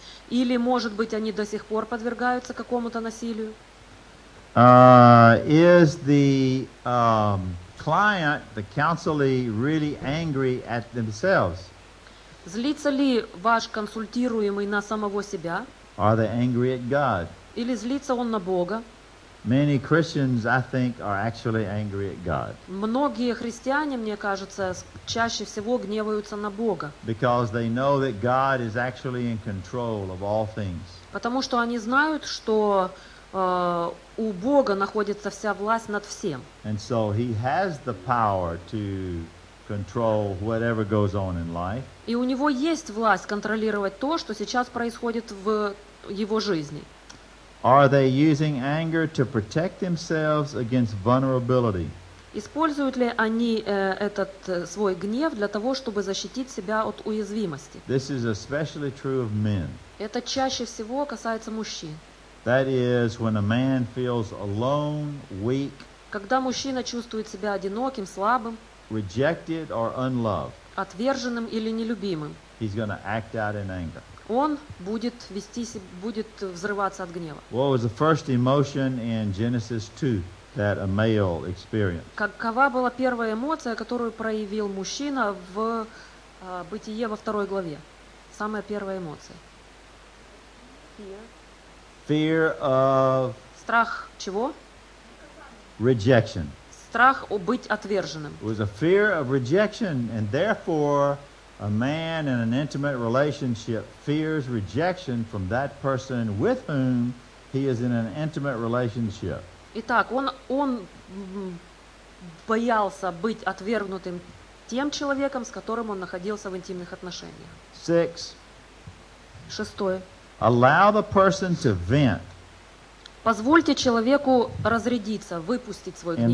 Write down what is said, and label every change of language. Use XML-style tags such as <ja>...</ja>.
<ru>Или, может быть, они до сих пор подвергаются какому-то насилию?</ru> <en>Is the client, the counselee, really angry at themselves?</en> <ru>Злится ли ваш консультируемый на самого себя?</ru> <en>Are they angry at God?</en> <ru>Или злится он на Бога?</ru> <en>Many Christians, I think, are actually angry at God.</en> <ru>Многие христиане, мне кажется, чаще всего гневаются на Бога.</ru> <en>Because they know that God is actually in control of all things.</en> <ru>Потому что они знают, что у Бога находится вся власть над всем.</ru> <en>And so he has the power to control whatever goes on in life.</en> <ru>И у него есть власть контролировать то, что сейчас происходит в его жизни.</ru> <en>Are they using anger to protect themselves against vulnerability?</en> <ru>Используют ли они этот свой гнев для того, чтобы защитить себя от уязвимости?</ru> <en>This is especially true of men.</en> <ru>Это чаще всего касается мужчин.</ru> <en>That is when a man feels alone, weak.</en> <ru>Когда мужчина чувствует себя одиноким, слабым,</ru> <en>rejected or unloved.</en> <ru>Отверженным или нелюбимым.</ru> <en>He's going to act out in anger.</en> <ru>Он будет взрываться от гнева.</ru> <en>What was the first emotion in Genesis 2 that a male experienced?</en> <ru>Какова была первая эмоция, которую проявил мужчина в Бытие во второй главе? Самая первая эмоция.</ru> <en>Fear of</en> <ru>страх чего?</ru> <en>Rejection.</en> <ru>Страх быть отверженным.</ru> <en>It was a fear of rejection, and therefore a man in an intimate relationship fears rejection from that person with whom he is in an intimate relationship.</en> <ru>Итак, он боялся быть отвергнутым тем человеком, с которым он находился в интимных отношениях.</ru> <en>Six.</en> <ru>Шестое.</ru> <en>Allow the person to vent.</en> <ru>Позвольте человеку разрядиться, выпустить свой гнев.</ru>